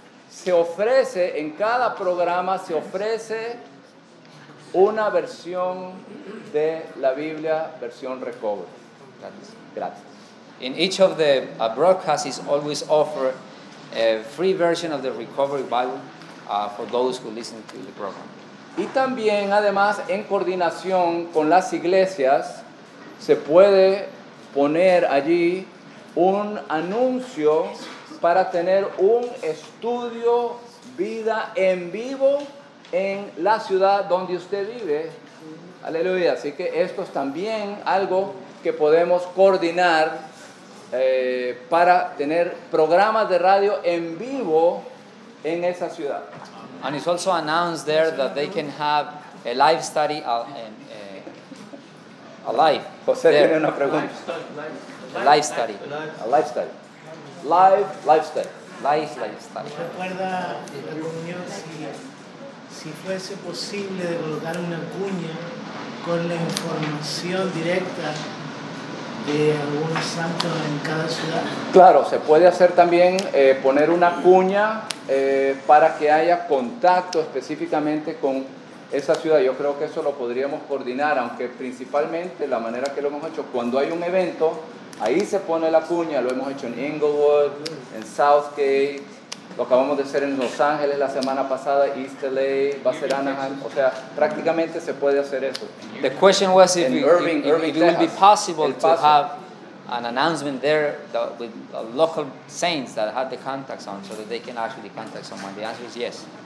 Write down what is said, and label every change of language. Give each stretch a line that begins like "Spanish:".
Spanish: Se ofrece, en cada programa se ofrece una versión de la Biblia, versión Recover. Gracias.
English: In each of the broadcasts is always offered a free version of the Recovery Bible for those who listen to the program.
Spanish: Y también, además, en coordinación con las iglesias, se puede poner allí un anuncio para tener un estudio vida en vivo en la ciudad donde usted vive. Aleluya. Así que esto es también algo que podemos coordinar para tener programas de radio en vivo en esa ciudad.
English: And it's also announced there that they can have a live study a live. José there.
Spanish: Tiene una pregunta.
English: Live study. A live study. Live, live study. Live, live study.
Spanish: Recuerda la reunión si fuese posible de colocar una cuña con la información directa de algunos santos en cada ciudad. Claro, se puede hacer también poner una cuña para que haya contacto específicamente con esa ciudad. Yo creo que eso lo podríamos coordinar, aunque principalmente la manera que lo hemos hecho, cuando hay un evento, ahí se pone la cuña. Lo hemos hecho en Inglewood, en Southgate, lo acabamos de hacer en Los Ángeles la semana pasada, East LA, va a ser Anaheim. O sea, prácticamente se puede hacer eso.
English: The question was if it would be possible to have an announcement there with local saints that had the contacts on, so that they can actually contact someone. The answer is yes.